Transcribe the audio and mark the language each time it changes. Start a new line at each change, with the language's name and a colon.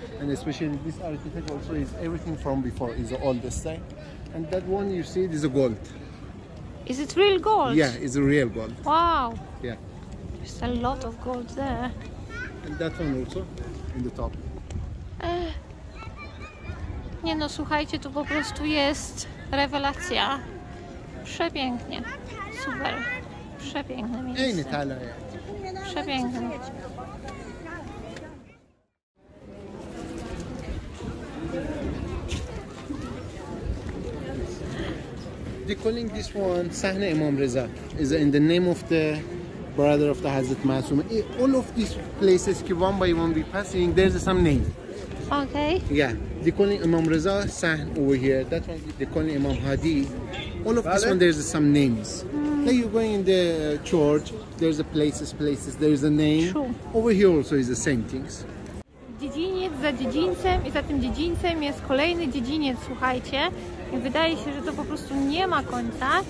English: And especially this architect also is everything from before, is all this time. And that one you see it is a gold. Is it real gold? Yeah, it's a real gold. Wow. Yeah. There's a lot of gold there. And that one also, in the top.
Polish: Nie no, słuchajcie, tu po prostu jest rewelacja. Przepięknie. Super. Przepiękne miejsce.
Italian: In Italia.
Polish: Przepiękne.
English: They're calling this one Sahne Imam Reza. Is in the name of the brother of the Hazrat Masum. All of these places, one by one, we passing. There's some name. Okay. Yeah. They're calling Imam Reza Sahne over here. That one they're calling Imam Hadi. All of this one, there's some names. Mm. Like you go in the church, there's a places. There's a name. True. Over here also is the same things.
Polish: Dziedziniec za dziedzińcem i za tym dziedzińcem jest kolejny dziedziniec, słuchajcie. Wydaje się, że to po prostu nie ma końca.